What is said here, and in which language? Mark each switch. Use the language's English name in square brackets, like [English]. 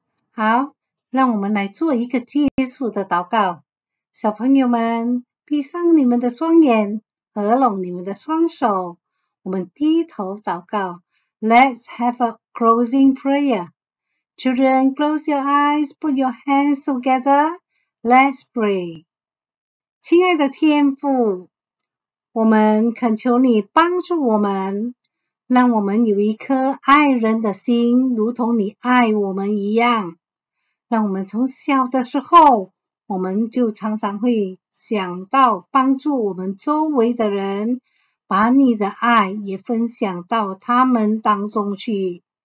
[Chinese] 好，让我们来做一个基础的祷告。小朋友们，闭上你们的双眼，合拢你们的双手。我们低头祷告。 [English] Let's have a closing prayer. Children, close your eyes, put your hands together. Let's pray. [Chinese] 亲爱的天父，我们恳求你帮助我们，让我们有一颗爱人的心，如同你爱我们一样。让我们从小的时候，我们就常常会想到帮助我们周围的人，把你的爱也分享到他们当中去。